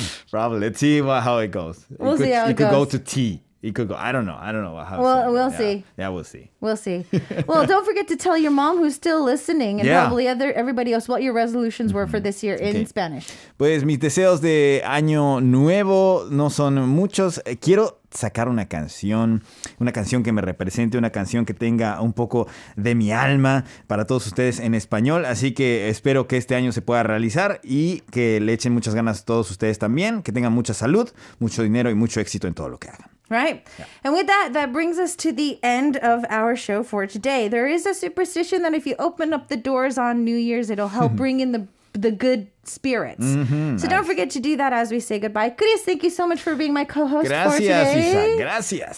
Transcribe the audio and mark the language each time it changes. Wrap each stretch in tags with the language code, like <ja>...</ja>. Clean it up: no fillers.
<en>Probably. Let's see how it goes. We'll see how it goes. It could go to tea. It could go. I don't know. We'll see. Yeah, we'll see. We'll see. Well, don't forget to tell your mom who's still listening and probably everybody else what your resolutions were for this year in Spanish.</en> <es>Pues mis deseos de año nuevo no son muchos. Quiero sacar una canción que me represente, una canción que tenga un poco de mi alma para todos ustedes en español. Así que espero que este año se pueda realizar y que le echen muchas ganas a todos ustedes también. Que tengan mucha salud, mucho dinero y mucho éxito en todo lo que hagan.</es> <en>Right. Yeah. And with that, that brings us to the end of our show for today. There is a superstition that if you open up the doors on New Year's, it'll help bring in the good spirits. Don't forget to do that as we say goodbye. Chris, thank you so much for being my co-host for today.</en> <es>Gracias, Isa. Gracias.</es>